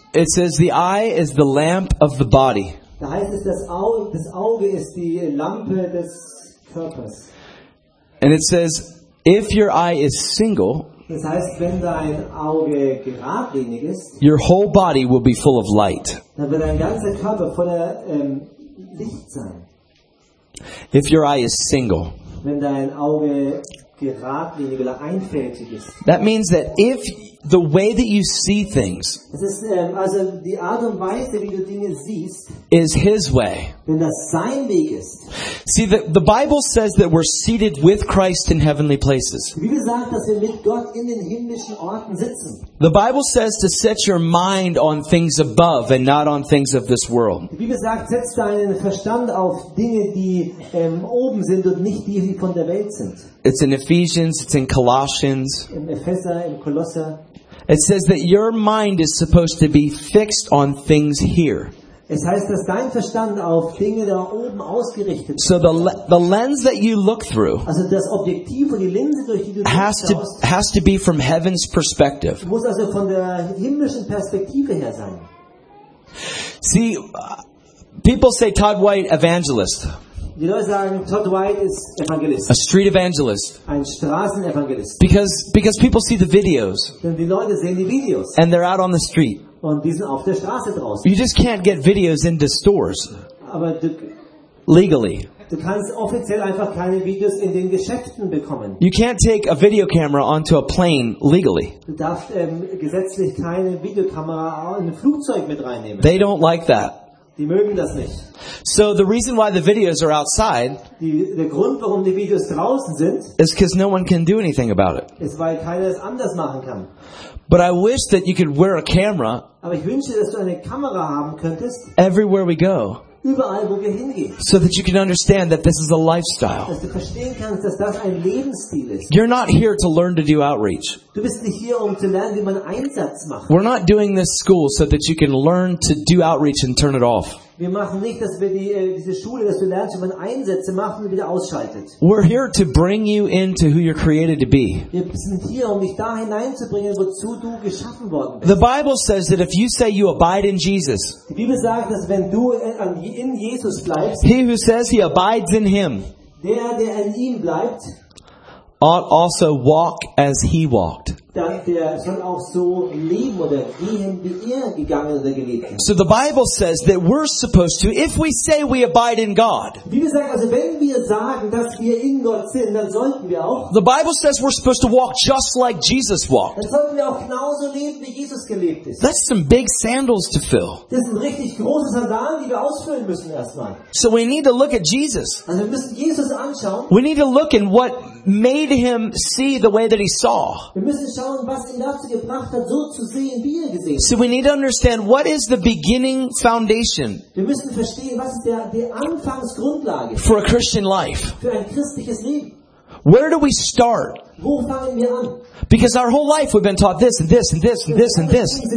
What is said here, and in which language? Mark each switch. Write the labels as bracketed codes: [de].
[en] it says the eye is the lamp of the body. [de] Da heißt es, das Auge ist die Lampe des Körpers. [en] And it says, if your eye is single, [de] das heißt, wenn dein Auge geradlinig ist, [en] your whole body will be full of light. [de] Dann wird dein ganzer Körper voller Licht sein. [en] If your eye is single, [de] wenn dein Auge geradlinig oder einfältig ist, [en] that means that if the way that you see things, [de] das ist, also die Art und Weise, wie du Dinge siehst, [en] is His way, [de] wenn das sein Weg ist. [en] See, the Bible says that we're seated with Christ in heavenly places. [de] Wie gesagt, dass wir mit Gott in den himmlischen Orten sitzen. [en] The Bible says to set your mind on things above and not on things of this world. [de] Die Bibel sagt, setz deinen Verstand auf Dinge, die oben sind und nicht die, die von der Welt sind. [en] It's in Ephesians, it's in Colossians. [de] Im Epheser, im Kolosser. [en] It says that your mind is supposed to be fixed on things here. [de] Es heißt, dass dein Verstand auf Dinge da oben ausgerichtet ist. [en] So the lens that you look through, [de] also das Objektiv und die Linse, durch die du [en] has to be from heaven's perspective. [de] Muss also von der himmlischen Perspektive her sein. [en] See, people say Todd White evangelist. [de] Die Leute sagen, Todd White ist Evangelist. [en] A street evangelist. [de] Ein Straßenevangelist. [en] Because people see the videos. [de] Denn die Leute sehen die Videos. [en] And they're out on the street. [de] Und die sind auf der Straße draußen. [en] You just can't get videos into stores. [de] Aber du, [en] legally. [de] Du kannst offiziell einfach keine Videos in den Geschäften bekommen. [en] You can't take a video camera onto a plane legally. [de] Du darfst gesetzlich keine Videokamera in ein Flugzeug mit reinnehmen. [en] They don't like that. [de] Die mögen das nicht. [en] So the reason why the videos are outside, [de] der Grund, warum die Videos draußen sind, [en] is because no one can do anything about it. [de] Ist, weil keiner es anders machen kann. [en] But I wish that you could wear a camera. [de] Aber ich wünsche, dass du eine Kamera haben könntest. [en] Everywhere we go. [de] Überall, wo wir hingehen. [en] So that you can understand that this is a lifestyle. [de] Dass du verstehen kannst, dass das ein Lebensstil ist. [en] You're not here to learn to do outreach. [de] Du bist nicht hier, um zu lernen, wie man Einsatz macht. [en] We're not doing this school so that you can learn to do outreach and turn it off. [de] Wir machen nicht, dass wir diese Schule, dass du lernst, wie man Einsätze macht und wieder ausschaltet. [en] We're here to bring you into who you're created to be. [de] Wir sind hier, um dich da hineinzubringen, wozu du geschaffen worden bist. [en] The Bible says that if you say you abide in Jesus, [de] die Bibel sagt, dass wenn du in Jesus bleibst, [en] he who says he abides in him, [de] der in ihm bleibt, [en] ought also walk as he walked. [de] Der soll auch so leben oder gehen, wie er gegangen oder gelebt hat. [en] So the Bible says that we're supposed to, if we say we abide in God. [de] Wie wir sagen, also wenn wir sagen, dass wir in Gott sind, dann sollten wir auch. [en] The Bible says we're supposed to walk just like Jesus walked. [de] Dann sollten wir auch genauso leben, wie Jesus gelebt ist. [en] That's some big sandals to fill. [de] Das sind richtig große Sandalen, die wir ausfüllen müssen erstmal. [en] So we need to look at Jesus. [de] Also wir müssen Jesus anschauen. [en] We need to look in what made him see the way that he saw. [de] Wir müssen schauen, was ihn dazu gebracht hat, so zu sehen, wie er gesehen hat. [en] So we need to understand what is the beginning foundation. [de] Wir müssen verstehen, was ist der Anfangsgrundlage [en] for a Christian life. [de] Für ein christliches Leben. [en] Where do we start? [de] Wo fangen wir an? [en] Because our whole life we've been taught this and this and this and this and this.